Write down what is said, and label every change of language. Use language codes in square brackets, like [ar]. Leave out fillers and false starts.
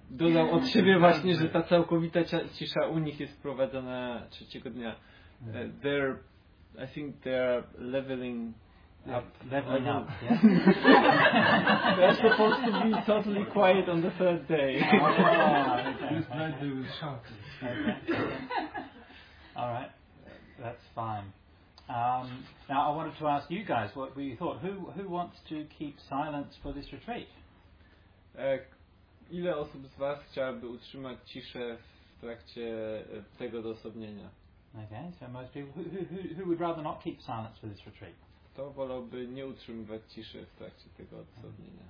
[pl] Dodał od siebie właśnie, że ta całkowita cisza u nich jest wprowadzona trzeciego dnia. [en] I think they are leveling up. Yeah. They're supposed to be totally quiet on the third day. This night they will shock. All right, that's fine. Now I wanted to ask you guys what you thought. Who wants to keep silence for this retreat? [pl] Ile osób z was chciałaby utrzymać ciszę w trakcie tego odosobnienia? [en] Okay, so most people who would rather not keep silence for this retreat? [pl] to wolałby nie utrzymywać ciszy w trakcie tego odsłonienia.